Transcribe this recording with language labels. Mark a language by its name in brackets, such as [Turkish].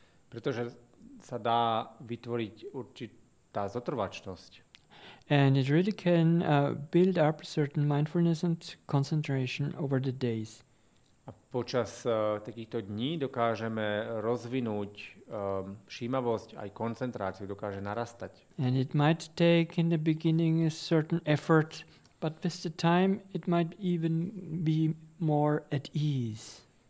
[Slovak] Pretože sa dá vytvoriť určitá zotrvačnosť. [English] And it really can build up certain mindfulness and concentration over the days. [Slovak] A počas takýchto dní dokážeme rozvinúť všímavosť aj koncentráciu, dokáže narastať. [English] And it might take in the beginning a certain effort, but with the time it might even be more at ease.